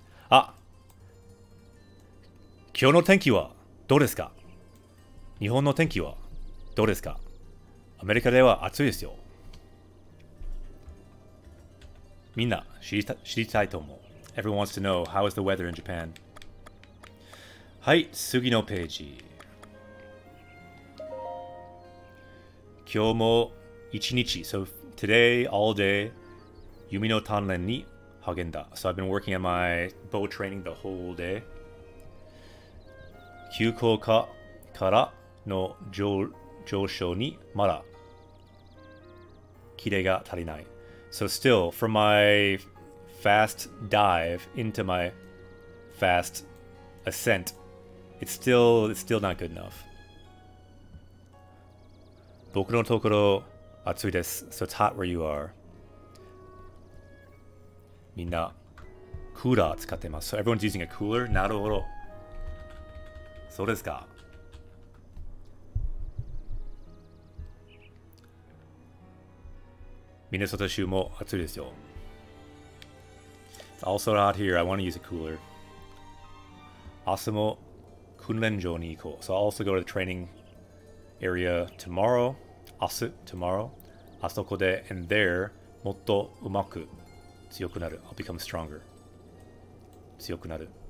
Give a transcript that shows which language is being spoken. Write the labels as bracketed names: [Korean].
[Japanese] あ、今日の天気はどうですか? 日本の天気はどうですか?アメリカでは暑いですよ。みんな知りたいと思う。 [English] Everyone wants to know, how is the weather in Japan? [Japanese] はい、次のページ。今日も一日、 [English] So today, all day, [Japanese] 弓の鍛錬に励んだ。 [English] So I've been working on my bow training the whole day. [Japanese] 急降下からの上昇にまだ、キレが足りない。 [English] So still, from my... fast dive into my fast ascent. It's still not good enough. [Japanese] 僕のところ暑いです。 [English] So it's hot where you are. [Japanese] みんなクーラー使ってます。 [English] So everyone's using a cooler? [Japanese] なるほど。そうですか。ミネソタ州も暑いですよ。 [English] Also out here, I want to use a cooler. [Japanese] 明日も訓練場に行こう。 [English] So I'll also go to the training area tomorrow. [Japanese] 明日、tomorrow. あそこで、 [English] and there, [Japanese] もっとうまく強くなる。 [English] I'll become stronger. [Japanese] 強くなる。